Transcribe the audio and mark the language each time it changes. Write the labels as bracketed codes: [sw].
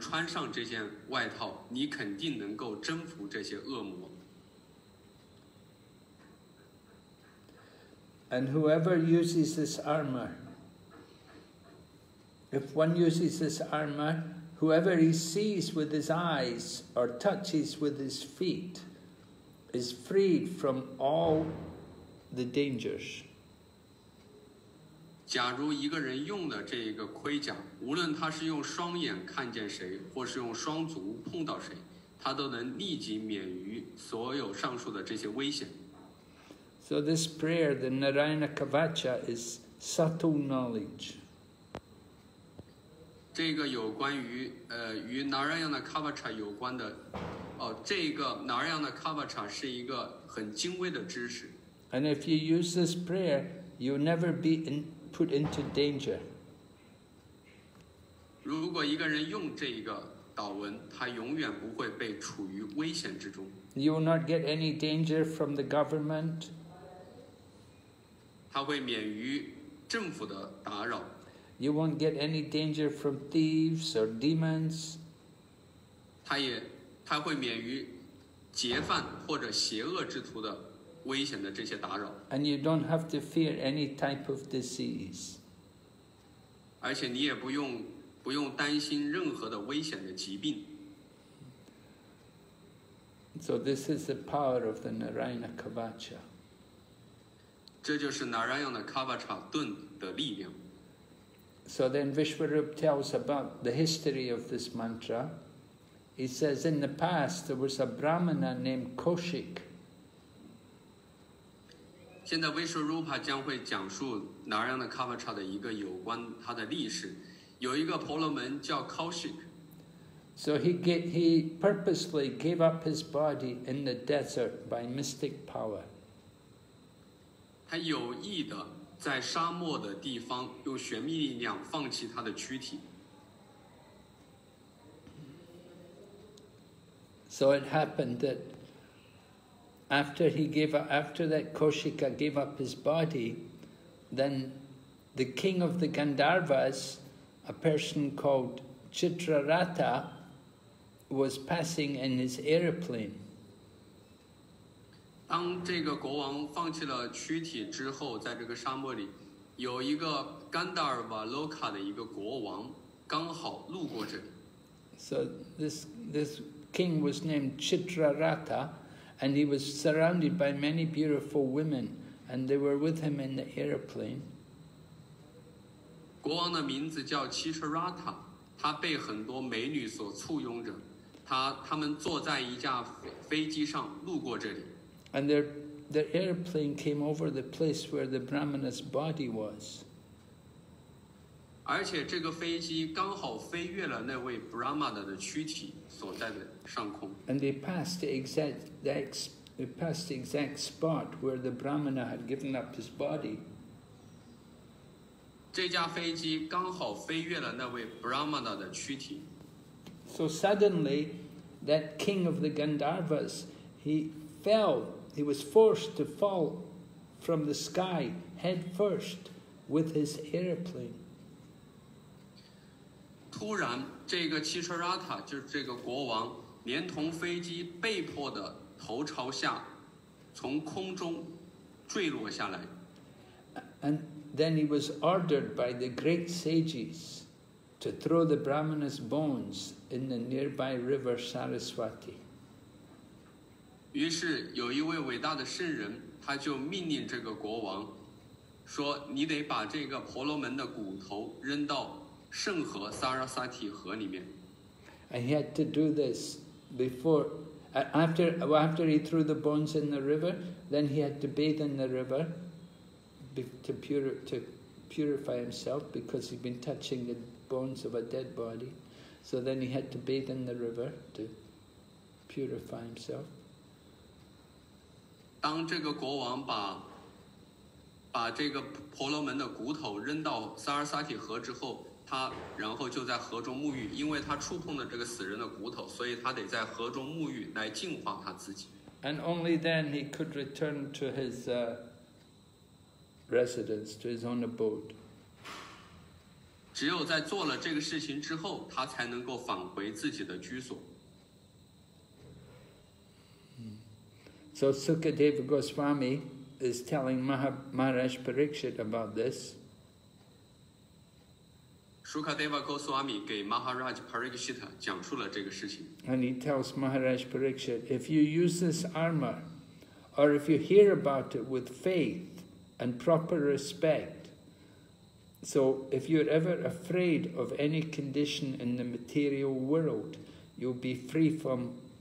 [zh] 如果你能穿上这件外套, 你肯定能够征服这些恶魔。 [en] And whoever uses this armor, if one uses this armor, whoever he sees with his eyes or touches with his feet is freed from all the dangers. [zh] 假如一个人用的这个盔甲，无论他是用双眼看见谁，或是用双足碰到谁，他都能立即免于所有上述的这些危险。 [en] So this prayer, the Narayana Kavacha, is subtle knowledge. [zh] 这个有关于与 Narayana Kavacha 有关的，哦，这个 Narayana Kavacha 是一个很精微的知识。 [en] And if you use this prayer, you'll never be put into danger. [zh] 如果一个人用这个祷文，他永远不会被处于危险之中。 [en] You will not get any danger from the government. [zh] 他会免于政府的打扰。 [en] You won't get any danger from thieves or demons. [zh] 他会免于劫犯或者邪恶之徒的危险的这些打扰。 [en] And you don't have to fear any type of disease. [zh] 而且你也不用担心任何的危险的疾病。 [en] So this is the power of the Narayana Kavacha. [zh] 这就是 Narayana Kavacha 盾的力量。 [en] So then Vishwarupa tells about the history of this mantra. He says, in the past, there was a Brahmana named Kaushik. [zh] 现在 Vishwarupa 将会讲述 Narayana Kavacha 的一个有关他的历史。有一个婆罗门叫 Kaushik. [en] So he purposely gave up his body in the desert by mystic power. [zh] 他有意的在沙漠的地方用玄秘力量放弃他的躯体。 [en] So it happened that after that Kaushika gave up his body, then the king of the Gandharvas, a person called Chitrarata, was passing in his aeroplane. [zh] 当这个国王放弃了躯体之后，在这个沙漠里，有一个甘达尔瓦洛卡的一个国王刚好路过这里。 [en] So this king was named Chitrarata, and he was surrounded by many beautiful women, and they were with him in the aeroplane. [zh] 国王的名字叫 Chitrarata, 他被很多美女所簇拥着，他们坐在一架飞机上路过这里。 [en] And their airplane came over the place where the Brahmana's body was. [zh] 而且这个飞机刚好飞越了那位 Brahmana 的躯体所在的上空。 [en] And they passed the exact spot where the Brahmana had given up his body. [zh] 这架飞机刚好飞越了那位 Brahmana 的躯体。 [en] So suddenly, that king of the Gandharvas, he fell. He was forced to fall from the sky head first with his aeroplane. [zh] 突然，这个齐彻拉塔就是这个国王，连同飞机被迫的头朝下，从空中坠落下来。 [en] And then he was ordered by the great sages to throw the Brahmana's bones in the nearby river Saraswati. [zh] 于是有一位伟大的圣人，他就命令这个国王说，你得把这个婆罗门的骨头扔到圣河萨拉萨提河里面。 [en] And he had to do this before, after he threw the bones in the river, then he had to bathe in the river to purify himself because he'd been touching the bones of a dead body. So then he had to bathe in the river to purify himself. [zh] 当这个国王把这个婆罗门的骨头扔到萨尔萨提河之后，他然后就在河中沐浴，因为他触碰了这个死人的骨头，所以他得在河中沐浴来净化他自己。 [en] And only then he could return to his residence, to his own abode. [zh] 只有在做了这个事情之后，他才能够返回自己的居所。 [en] So Sukadeva Goswami is telling Maharaj Parikshit about this. [zh] Sukadeva Goswami 给 Maharaj Parikshit 讲述了这个事情。 [en] And he tells Maharaj Parikshit, if you use this armor, or if you hear about it with faith and proper respect, so if you're ever afraid of any condition in the material world, you'll be free from